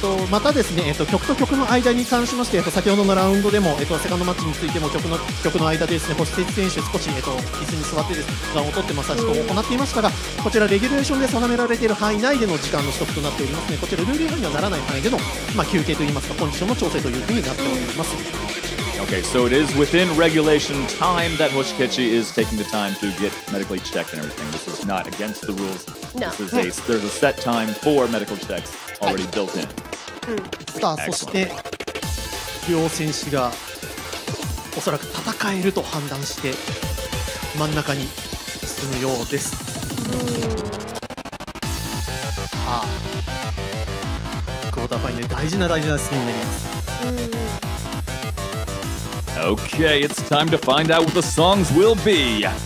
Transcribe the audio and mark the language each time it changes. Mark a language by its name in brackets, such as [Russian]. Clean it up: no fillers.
[Japanese] またですね、曲と曲の間に関しまして、先ほどのラウンドでも、セカンドマッチについても曲の間でですね、星哲選手少し、椅子に座ってですね、時間を取ってマッサージを行っていましたが、こちらレギュレーションで定められている範囲内での時間の取得となっておりますね。こちらルール違反にはならない範囲での、休憩といいますか、コンディションの調整というふうになっております。 [English] Okay, so it is within regulation time that Hoshikechi is taking the time to get medically checked and everything. This is not against the rules. There's a set time for medical checksAlready built in. [Japanese] さあ、そして両選手がおそらく戦えると判断して真ん中に進むようです。はあ、クォーターファイナル、大事な大事なシーンになります。 [English] Okay, it's time to find out what the songs will be.